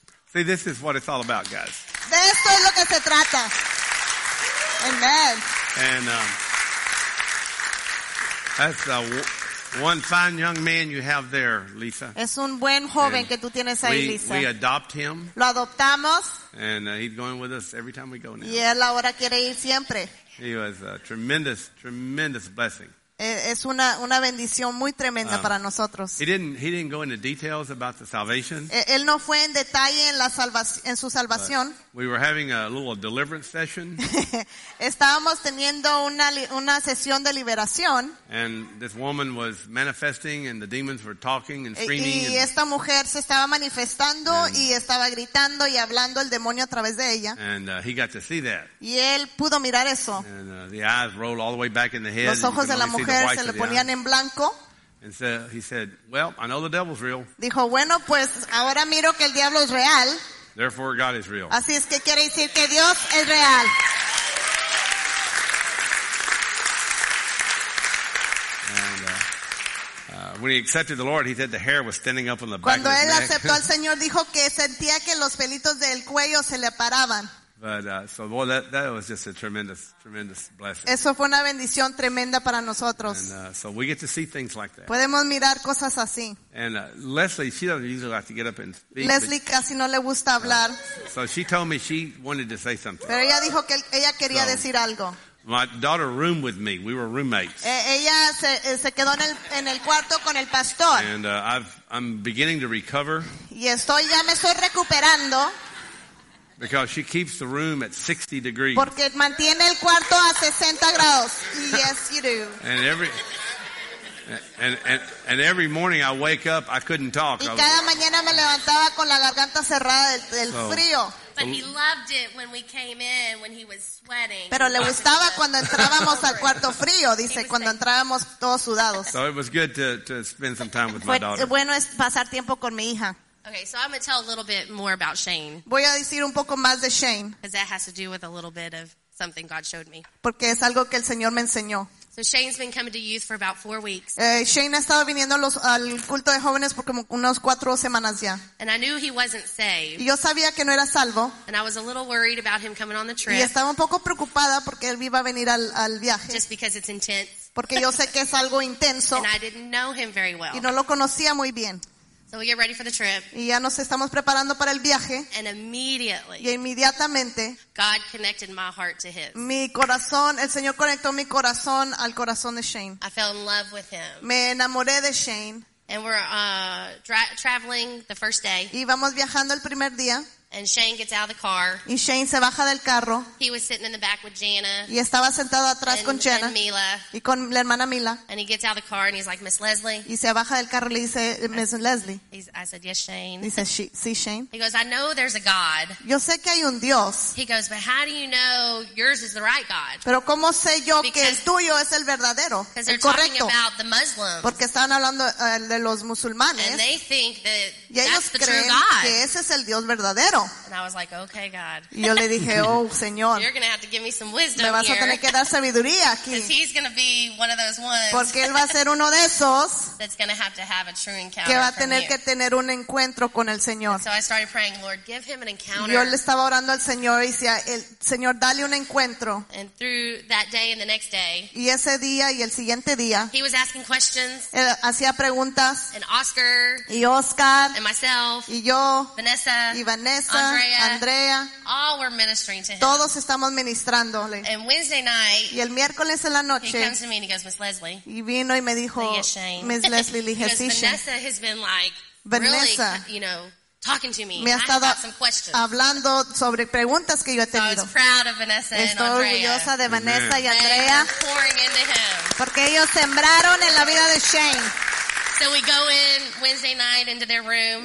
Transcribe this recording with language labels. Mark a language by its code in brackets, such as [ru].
[en] See, this is what it's all about, guys. [es] De esto es lo que se trata. Amen. [en] And that's a one fine young man you have there, Lisa. [es] Es un buen joven que tú tienes ahí, Lisa. [en] We adopt him. [es] Lo adoptamos. [en] And he's going with us every time we go now. [es] Y él ahora quiere ir siempre. [en] He was a tremendous, tremendous blessing. [es] Es una bendición muy tremenda para nosotros. [en] He didn't go into details about the salvation. [es] Él no fue en detalle en la salvación, en su salvación. [en] We were having a little deliverance session. [es] Estábamos teniendo una sesión de liberación. [en] And this woman was manifesting and the demons were talking and screaming. [es] Y esta mujer se estaba manifestando y estaba gritando y hablando el demonio a través de ella. [en] And he got to see that. [es] Y él pudo mirar eso. [en] And the eyes rolled all the way back in the head. [es] Los ojos de la mujer se le ponían en blanco. [en] And so he said, well, I know the devil's real. [es] Dijo, bueno, pues ahora miro que el diablo es real. [en] Therefore, God is real. [es] Así es que quiere decir que Dios es real. [en] And when he accepted the Lord, he said the hair was standing up on the [es] cuando [en] back of his neck. [es] Cuando él aceptó al Señor, dijo que sentía que los pelitos del cuello se le paraban. [en] But so well, that was just a tremendous, tremendous blessing. [es] Eso fue una bendición tremenda para nosotros. [en] And so we get to see things like that. [es] Podemos mirar cosas así. [en] And Leslie, she doesn't usually like to get up and speak. [es] Leslie casi no le gusta hablar. [en] So she told me she wanted to say something. [es] Pero ella dijo que ella quería decir algo. [en] My daughter roomed with me. We were roommates. [es] Ella se quedó en el cuarto con el pastor. [en] And I'm beginning to recover. [es] Y ya me estoy recuperando. [en] Because she keeps the room at 60 degrees. [es] Porque mantiene el cuarto a 60 grados. [en] Yes, you do. And every morning I wake up, I couldn't talk. [es] Y cada mañana me levantaba con la garganta cerrada del frío. [en] But he loved it when we came in, when he was sweating. [es] Pero le gustaba cuando entrábamos al cuarto frío, dice, cuando entrábamos todos sudados. [en] So it was good to spend some time with my daughter. [es] Bueno es pasar tiempo con mi hija. [en] Okay, so I'm going to tell a little bit more about Shane. [es] Voy a decir un poco más de Shane. [en] Because that has to do with a little bit of something God showed me. [es] Porque es algo que el Señor me enseñó. [en] So Shane's been coming to youth for about 4 weeks. [es] Shane ha estado viniendo al culto de jóvenes por como unos 4 semanas ya. [en] And I knew he wasn't saved. [es] Y yo sabía que no era salvo. [en] And I was a little worried about him coming on the trip. [es] Y estaba un poco preocupada porque él iba a venir al viaje. [en] Just because it's intense. [es] Porque yo sé que es algo intenso. [en] And I didn't know him very well. [es] Y no lo conocía muy bien. [en] So we get ready for the trip. [es] Y ya nos estamos preparando para el viaje. [en] And immediately. [es] Y inmediatamente. [en] God connected my heart to his. [es] Mi corazón, el Señor conectó mi corazón al corazón de Shane. [en] I fell in love with him. [es] Me enamoré de Shane. [en] And we're traveling the first day. [es] Y vamos viajando el primer día. [en] And Shane gets out of the car. [es] Y Shane se baja del carro. [en] He was sitting in the back with Jana. [es] Y estaba sentado atrás con Jana. [en] And Mila. [es] Y con la hermana Mila. [en] And he gets out of the car and he's like, Miss Leslie. [es] Y se baja del carro y le dice, Miss Leslie. [en] I said, yes, Shane. He says, [es] sí, [en] Shane. He goes, I know there's a God. [es] Yo sé que hay un Dios. [en] He goes, but how do you know yours is the right God? [es] Pero cómo sé yo que el tuyo es el verdadero, el correcto. [en] Because they're talking about the Muslims. [es] Porque estaban hablando de los musulmanes. [en] And they think that [es] y ellos [en] that's the [es] creen [en] true God. [es] Que ese es el Dios verdadero. [en] And I was like, okay, God. [es] Y yo le dije, oh, Señor. [en] You're going to have to give me some wisdom [es] me vas [en] here. [es] A tener que dar sabiduría aquí. [en] Because he's going to be one of those ones. [es] Porque él va a ser uno de esos. [en] That's going to have a true encounter. [es] Que va a tener que tener un encuentro con el Señor. [en] And so I started praying, Lord, give him an encounter. [es] Yo le estaba orando al Señor y decía, Señor, dale un encuentro. [en] And through that day and the next day. [es] Y ese día y el siguiente día. [en] He was asking questions. [es] Hacía preguntas. [en] And Oscar. [es] Y Oscar. [en] And myself. [es] Y yo. [en] Vanessa. [es] Y Vanessa. [en] Andrea, all were ministering to him. [es] Todos estamos ministrándole. [en] And Wednesday night, [es] y el miércoles en la noche, [en] he comes to me and he goes, Miss Leslie. [es] Y vino y me dijo, Miss Leslie, le dije, [en] sí, Vanessa has been like, Vanessa, really, you know, talking to me. [es] Me ha estado [en] some questions. [es] Hablando sobre preguntas que yo he tenido. [en] So I was proud of Vanessa and [es] estoy [en] Andrea. [es] Orgullosa de Vanessa y Andrea. [en] Pouring into him. [es] Porque ellos sembraron en la vida de Shane. [en] So we go in Wednesday night into their room.